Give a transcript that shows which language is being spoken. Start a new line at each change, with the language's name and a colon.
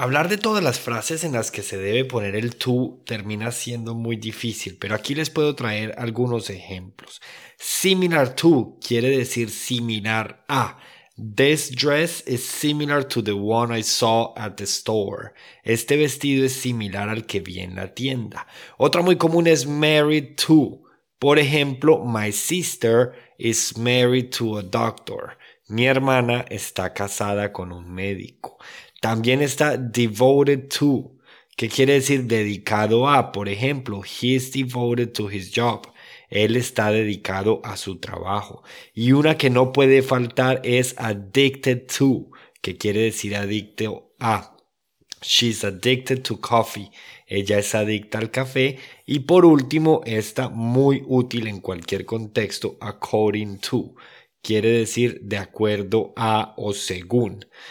Spanish: Hablar de todas las frases en las que se debe poner el tú termina siendo muy difícil, pero aquí les puedo traer algunos ejemplos. Similar to quiere decir similar a.
English: This dress is similar to the one I saw at the store.
Spanish: Este vestido es similar al que vi en la tienda. Otra muy común es married to. Por ejemplo,
English: my sister is married to a doctor.
Spanish: Mi hermana está casada con un médico. También está devoted to, que quiere decir dedicado a. Por ejemplo,
English: he is devoted to his job.
Spanish: Él está dedicado a su trabajo. Y una que no puede faltar es addicted to, que quiere decir adicto a.
English: She's addicted to coffee.
Spanish: Ella es adicta al café. Y por último, esta muy útil en cualquier contexto, according to, quiere decir de acuerdo a o según.